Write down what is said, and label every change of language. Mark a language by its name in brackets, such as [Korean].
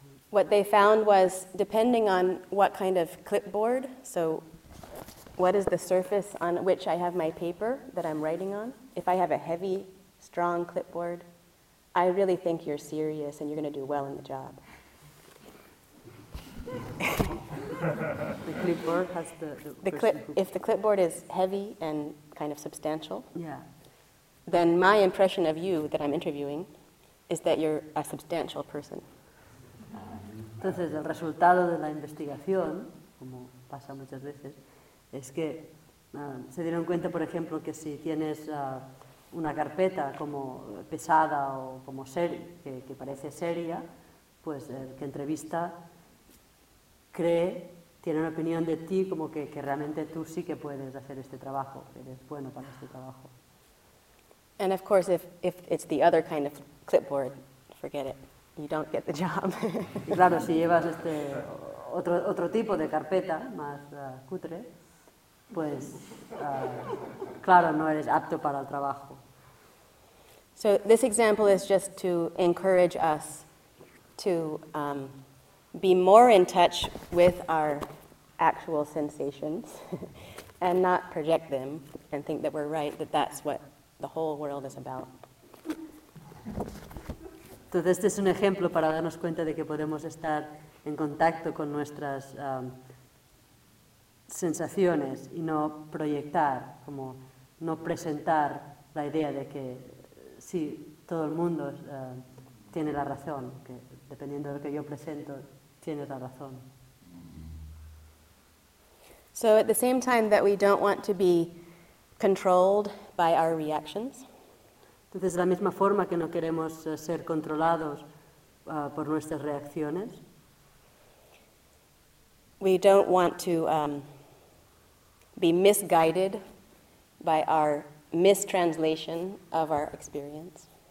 [English] What they found was, depending on what kind of clipboard, so what is the surface on which I have my paper that I'm writing on, if I have a heavy, strong clipboard, I really think you're serious and you're going to do well in the job. The clipboard has if the clipboard is heavy and kind of substantial, yeah, then my impression of you that I'm interviewing is that you're a substantial person. [Spanish] Entonces, el resultado de la investigación, como pasa muchas veces, es que se dieron cuenta, por ejemplo, que si tienes una carpeta como pesada o como que parece seria, pues el que entrevista tiene una opinión de ti como que realmente tú sí que puedes hacer este trabajo, eres bueno para este trabajo. [English] And of course, if it's the other kind of clipboard, forget it. You don't get the job. [Spanish] Y claro, si llevas este otro tipo de carpeta, más cutre, pues claro, no eres apto para el trabajo. [English] So this example is just to encourage us to be more in touch with our actual sensations and not project them and think that we're right, that that's what the whole world is about. [Spanish] Entonces, este es un ejemplo para darnos cuenta de que podemos estar en contacto con nuestras sensaciones y no proyectar, como no presentar la idea de que sí, todo el mundo tiene la razón, que dependiendo de lo que yo presento, tiene la razón. [English] So, at the same time that we don't want to be controlled by our reactions, [Spanish] entonces, de la misma forma que no queremos ser controlados por nuestras reacciones, [English] we don't want to be misguided by our mistranslation of our experience.